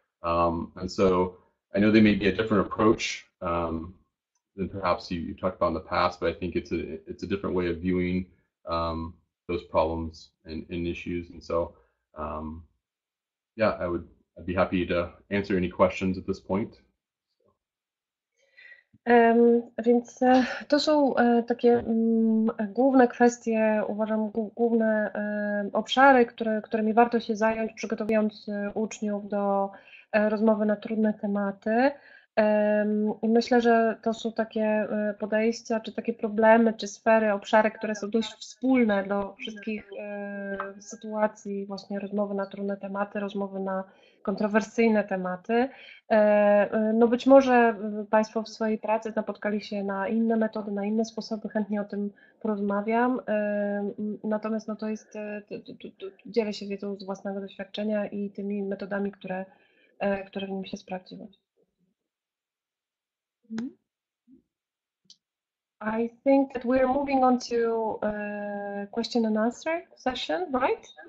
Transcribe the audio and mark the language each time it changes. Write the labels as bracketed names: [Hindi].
[English] And so I know they may be a different approach than perhaps you talked about in the past, but I think it's a different way of viewing those problems and issues. And so yeah, I'd be happy to answer any questions at this point. [Polish] Więc to są takie główne kwestie, uważam, główne obszary, którymi warto się zająć, przygotowując uczniów do rozmowy na trudne tematy. I myślę, że to są takie podejścia, czy takie problemy, czy sfery, obszary, które są dość wspólne do wszystkich sytuacji, właśnie rozmowy na trudne tematy, rozmowy na kontrowersyjne tematy. No być może Państwo w swojej pracy napotkali się na inne metody, na inne sposoby, chętnie o tym porozmawiam. Natomiast no to jest, dzielę się wiedzą z własnego doświadczenia i tymi metodami, które w nim się sprawdziły. [English] I think that we're moving on to question and answer session, right?